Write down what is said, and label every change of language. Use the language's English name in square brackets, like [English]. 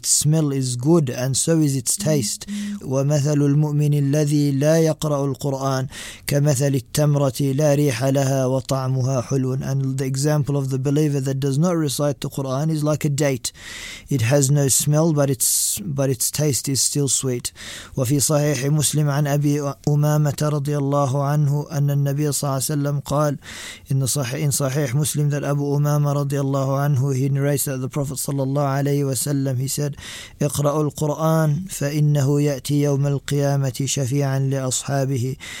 [English] Its smell is good and so is its taste. [Arabic] ومثل المؤمن الذي لا يقرأ القرآن كمثل التمرة لا ريح لها وطعمها حلو. [English] And the example of the believer that does not recite the Quran is like a date. It has no smell but its taste is still sweet. [Arabic] وفي صحيح مسلم عن أبي أمامة رضي الله عنه أن النبي صلى الله عليه وسلم قال إن صحيح مسلم [English] that [Arabic] أبو أمامة رضي الله عنه [English] he narrates that the Prophet [Arabic] صلى الله عليه وسلم [English] he said [Arabic] اقرأ القرآن فإنه يأتي يوم القيامة شفيعا لأصحابه.